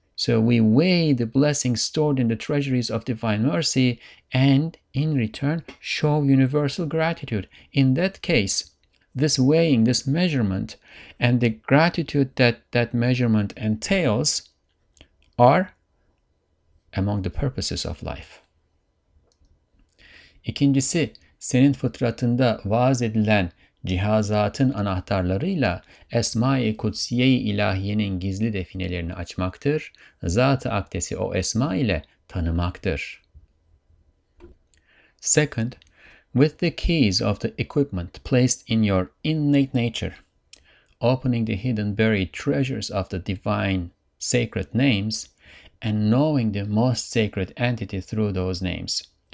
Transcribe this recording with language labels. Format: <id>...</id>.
<en>So we weigh the blessings stored in the treasuries of divine mercy and, in return, show universal gratitude. In that case, this weighing, this measurement, and the gratitude that that measurement entails are among the purposes of life.</en> <tr>İkincisi, senin fıtratında vaaz edilen cihazatın anahtarlarıyla Esma-i Kudsiye-i İlahiye'nin gizli definelerini açmaktır, Zat-ı Akdes'i o Esma ile tanımaktır.</tr> <en>Second, with the keys of the equipment placed in your innate nature, opening the hidden buried treasures of the divine sacred names, and knowing the most sacred entity through those names.</en>